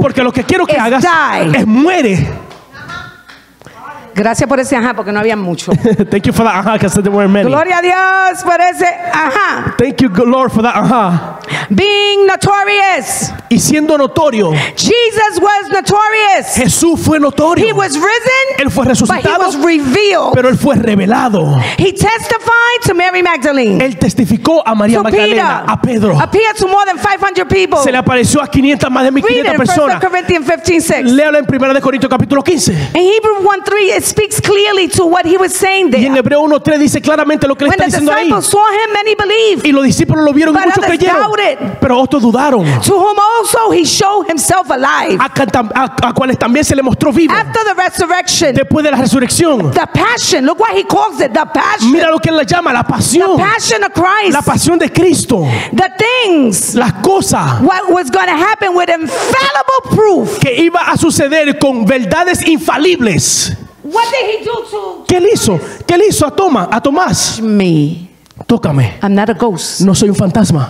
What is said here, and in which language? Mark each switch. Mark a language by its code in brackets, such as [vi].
[es] Porque lo que quiero que hagas es muere. Gracias por ese ajá, porque no había mucho. [en] Thank you for that aha, because there weren't many. [es] Gloria a Dios por ese ajá. [en] Thank you, Lord, for that aha. Being notorious. [es] Y siendo notorio. [en] Jesus was notorious. [es] Jesús fue notorio. [en] He was risen. [es] Él fue resucitado. [en] But he was revealed. [es] Pero él fue revelado. [en] He testified to Mary Magdalene. [es] Él testificó a María Magdalena. A Pedro. [en] Appeared to more than 500 people. [es] Se le apareció a 500 más de 1500 personas. [en] Read it in 1 Corinthians 15:6. [es] Léalo en 1 Corintios capítulo 15. [en] In Hebrews 1:3. It speaks clearly to what he was saying there. [es] Y en Hebreo 1:3 dice claramente lo que le está diciendo ahí. [en] When the disciples saw him, many believed. [es] Y los discípulos lo vieron y muchos creyeron. [en] But others doubted. [es] Pero otros dudaron. [en] To whom also he showed himself alive. [es] A cuales también se le mostró vivo. [en] After the resurrection. [es] Después de la resurrección. [en] The passion. Look what he calls it. The passion. [es] Mira lo que él le llama la pasión. [en] The passion of Christ. [es] La pasión de Cristo. [en] The things. [es] Las cosas. [en] What was going to happen with infallible proof. [es] Que iba a suceder con verdades infalibles. [en] What did he do to? [es] ¿Qué le hizo? ¿Qué le hizo a Tomás? A Tomás. [en] Touch me. [es] Tócame. [en] I'm not a ghost. [es] No soy un fantasma.